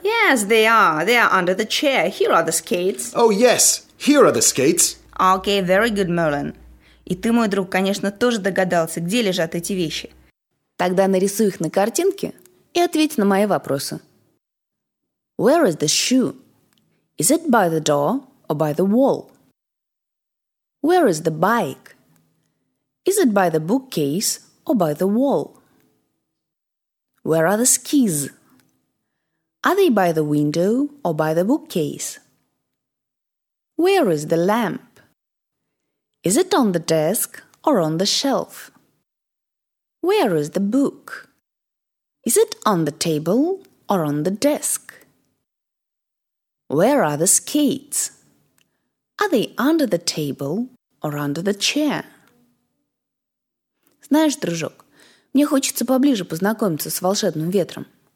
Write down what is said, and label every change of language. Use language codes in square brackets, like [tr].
[en] Yes, they are. They are under the chair. Here are the skates. Oh, yes. Here are the skates. Okay, very good, Merlin. [ru] И ты, мой друг, конечно, тоже догадался, где лежат эти вещи. Тогда нарисуй их на картинке и ответь на мои вопросы. [en] Where is the shoe? Is it by the door or by the wall? Where is the bike? Is it by the bookcase or by the wall? Where are the skis? Are they by the window or by the bookcase? Where is the lamp? Is it on the desk or on the shelf? Where is the book? Is it on the table or on the desk? Where are the skates? Are they under the table or under the chair? [ru] Знаешь, дружок, мне хочется поближе познакомиться с волшебным ветром.